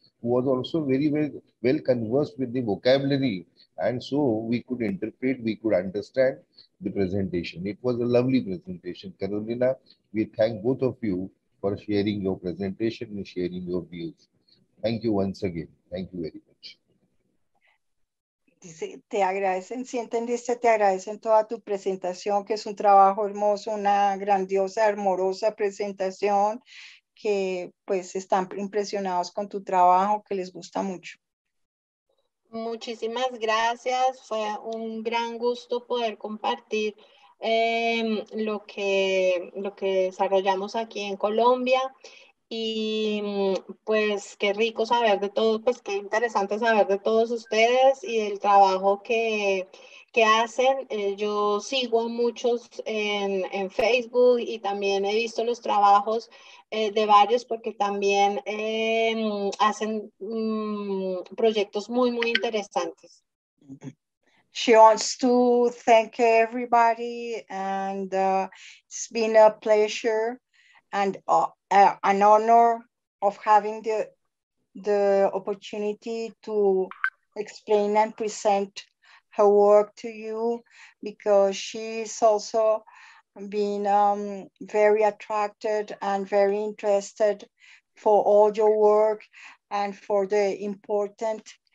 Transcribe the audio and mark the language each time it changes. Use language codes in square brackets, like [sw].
[en] was also very, very well conversed with the vocabulary. And so we could interpret, we could understand the presentation. It was a lovely presentation. Carolina, we thank both of you for sharing your presentation and sharing your views. Thank you once again. Thank you very much. [es] Dice, te agradecen, si entendiste, te agradecen toda tu presentación, que es un trabajo hermoso, una grandiosa, hermosa presentación, que pues están impresionados con tu trabajo, que les gusta mucho. Muchísimas gracias, fue un gran gusto poder compartir lo que desarrollamos aquí en Colombia. Y pues qué rico saber de todos, pues qué interesante saber de todos ustedes y del trabajo que hacen. Yo sigo a muchos en Facebook y también he visto los trabajos de varios, porque también hacen proyectos muy, muy interesantes. [en] She wants to thank everybody, and it's been a pleasure and an honor of having the opportunity to explain and present her work to you, because she's also been very attracted and very interested for all your work and for the important